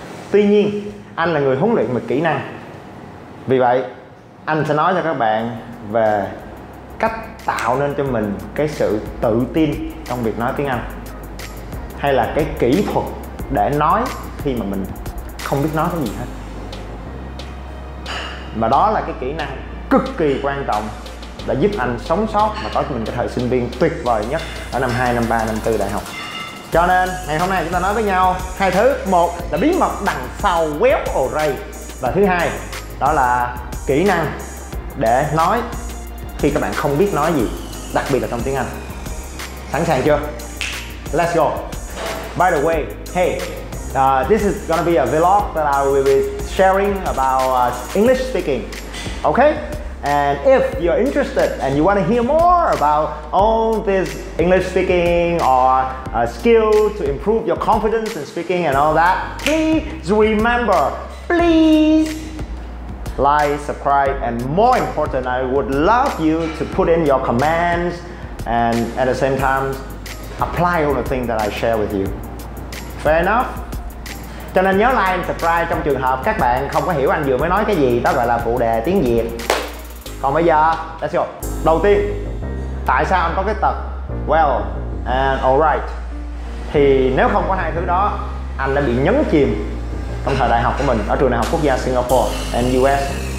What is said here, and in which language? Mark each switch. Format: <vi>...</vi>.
<vi>Tuy nhiên anh là người huấn luyện về kỹ năng, vì vậy anh sẽ nói cho các bạn về cách tạo nên cho mình cái sự tự tin trong việc nói tiếng Anh, hay là cái kỹ thuật để nói khi mà mình không biết nói cái gì hết, mà đó là cái kỹ năng cực kỳ quan trọng đã giúp anh sống sót và có cho mình cái thời sinh viên tuyệt vời nhất ở năm 2, năm 3, năm 4 đại học. Cho nên ngày hôm nay chúng ta nói với nhau hai thứ. Một là bí mật đằng sau quéo ồ rây, và thứ hai đó là kỹ năng để nói khi các bạn không biết nói gì, đặc biệt là trong tiếng Anh. Sẵn sàng chưa?</vi> <en>Let's go. By the way, hey, this is gonna be a vlog that I will be sharing about English speaking. Okay? And if you're interested and you want to hear more about all this English speaking or a skill to improve your confidence in speaking and all that, please remember, please like, subscribe, and more important, I would love you to put in your comments and at the same time apply all the things that I share with you. Fair enough?</en> <vi>Cho nên nhớ</vi> <en>like and subscribe</en> <vi>trong trường hợp các bạn không có hiểu anh vừa mới nói cái gì, đó gọi là phụ đề tiếng Việt. Còn bây giờ,</vi> <en>let's go.</en> <vi>Đầu tiên, tại sao anh có cái tật</vi> <en>well and alright?</en> <vi>Thì nếu không có hai thứ đó, anh đã bị nhấn chìm trong thời đại học của mình ở trường đại học quốc gia Singapore and US.</vi>